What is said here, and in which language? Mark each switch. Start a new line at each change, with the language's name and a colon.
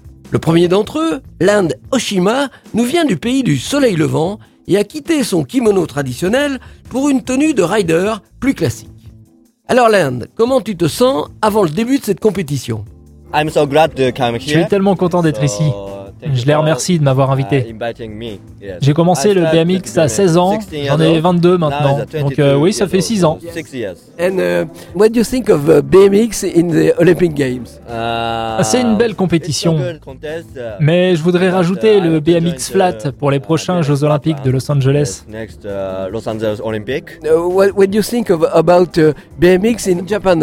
French: Le premier d'entre eux, l'Inde Oshima, nous vient du pays du soleil levant et a quitté son kimono traditionnel pour une tenue de rider plus classique. Alors l'Inde, comment tu te sens avant le début de cette compétition ?
English: I'm so glad to come here.
French: Je suis tellement content d'être ici. Je les remercie de m'avoir invité. J'ai commencé le BMX à 16 ans, j'en ai 22 maintenant, donc oui, ça fait 6 ans.
English: And what do you think of BMX in the Olympic Games?
French: C'est une belle compétition, mais je voudrais rajouter le BMX flat pour les prochains Jeux Olympiques de Los Angeles.
English: What do you think about BMX in Japan?